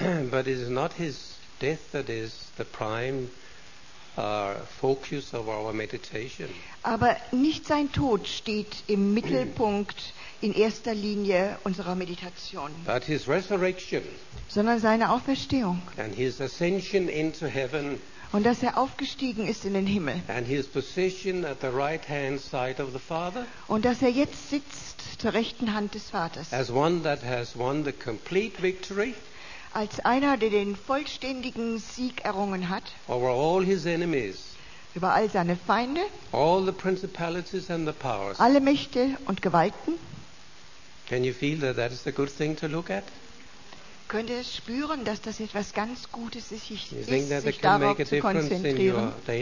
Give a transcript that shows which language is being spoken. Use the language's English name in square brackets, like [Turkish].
[English] But it is not his death that is the prime focus of our meditation. [German] Aber nicht sein Tod steht im Mittelpunkt in erster Linie unserer Meditation. [English] But his resurrection. [German] Sondern seine Auferstehung. [English] And his ascension into heaven. [German] Und dass er aufgestiegen ist in den Himmel. [English] And his position at the right hand side of the Father. [German] Und dass er jetzt sitzt zur rechten Hand des Vaters. [English] As one that has won the complete victory. [German] Als einer, der den vollständigen Sieg errungen hat. [English] Over all his enemies. [German] Über all seine Feinde. [English] All the principalities and the powers. [German] Alle Mächte und Gewalten. [English] Can you feel that that is a good thing to look at? [German] Könnt ihr spüren, dass das etwas ganz Gutes ist, sich darauf zu konzentrieren?